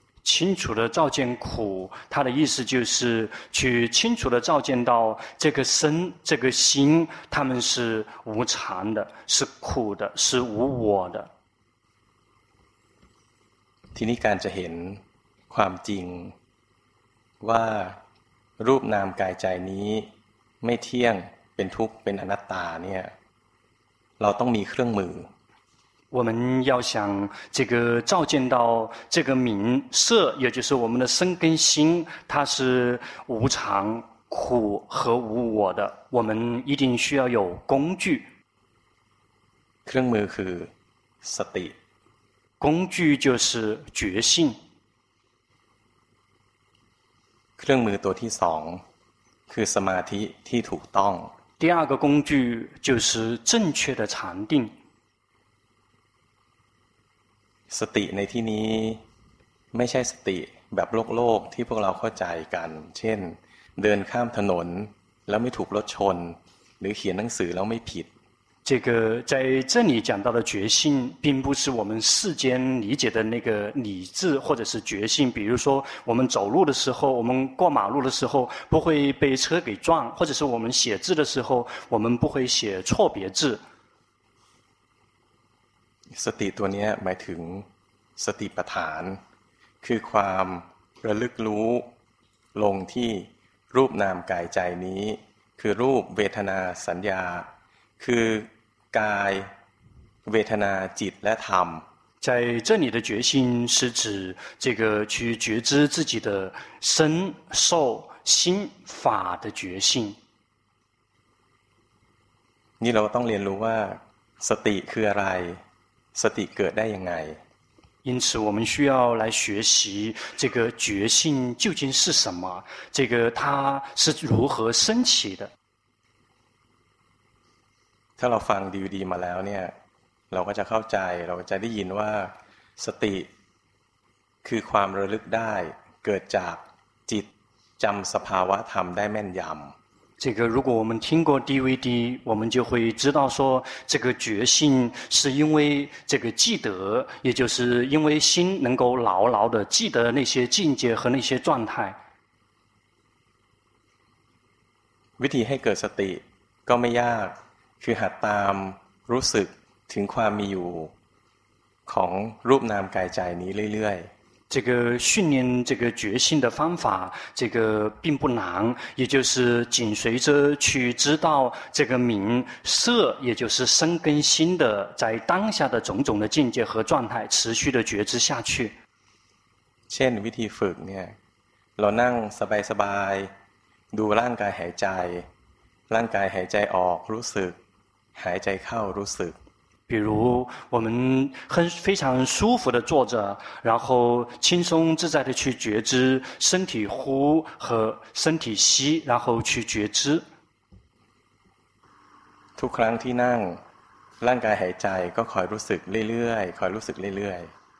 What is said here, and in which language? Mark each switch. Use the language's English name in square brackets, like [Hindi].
[Chinese] 清楚的照见苦它的意思就是去清楚的照见到这个身这个心它们是无常的是苦的是无我的 [Thai] ทีนี้การจะเห็นความจริงว่ารูปนามกายใจนี้ไม่เที่ยงเป็นทุกข์เป็นอนัตตาเนี่ยเราต้องมีเครื่องมือ [Chinese] 我们要想这个照见到这个名色也就是我们的身跟心它是无常苦和无我的我们一定需要有工具 [Thai] เครื่องมือคือสติ [Chinese] 工具就是觉性 [Thai] เครื่องมือตัวที่สองคือสมาธิที่ถูกต้อง [Chinese] 第二个工具就是正确的禅定 [Thai] สติในที่นี้ไม่ใช่สติแบบโลกๆที่พวกเราเข้าใจกันเช่นเดินข้ามถนนแล้วไม่ถูกรถชนหรือเขียนหนังสือแล้วไม่ผิด [Chinese] 这个在这里讲到的觉性并不是我们世间理解的那个理智或者是觉性比如说我们走路的时候我们过马路的时候不会被车给撞或者是我们写字的时候我们不会写错别字 [Thai] สติตัวนี้หมายถึงสติปัฏฐานคือความระลึกรู้ลงที่รูปนามกายใจนี้คือรูปเวทนาสัญญาคือกายเวทนาจิตและธรรม [Chinese] 在这里的觉性是指这个去觉知自己的身受心法的觉性 [Thai] นี่เราต้องเรียนรู้ว่าสติคืออะไรสติเกิดได้ยังไง [Chinese] 因此我们需要来学习这个觉性究竟是什么这个它是如何升起的 [Thai] ถ้าเราฟังดีๆมาแล้วเนี่ยเราก็จะเข้าใจเราก็จะได้ยินว่าสติคือความระลึกได้เกิดจากจิตจำสภาวะธรรมได้แม่นยำ [Chinese] 这个如果我们听过 DVD 我们就会知道说这个觉性是因为这个记得也就是因为心能够牢牢的记得那些境界和那些状态 [Thai] วิธีให้เกิดสติก็ไม่ยากคือหัดตามรู้สึกถึงความมีอยู่ของรูปนามกายใจนี้เรื่อย [Chinese] ๆ这个训练这个觉性的方法这个并不难也就是紧随着去知道这个名色也就是身跟心的在当下的种种的境界和状态持续的觉知下去 [Thai] เช่นวิธีฝึกเนี่ยเรานั่งสบายๆดูร่างกายหายใจร่างกายหายใจออกรู้สึกหายใจเข้ารู้สึก [Chinese] 比如我们很非常舒服的坐着然后轻松自在的去觉知身体呼和身体吸然后去觉知 [Thai] ทุกครั้งที่นั่งร่างกายหายใจก็คอยรู้สึกเรื่อยๆคอยรู้สึกเรื่อยๆ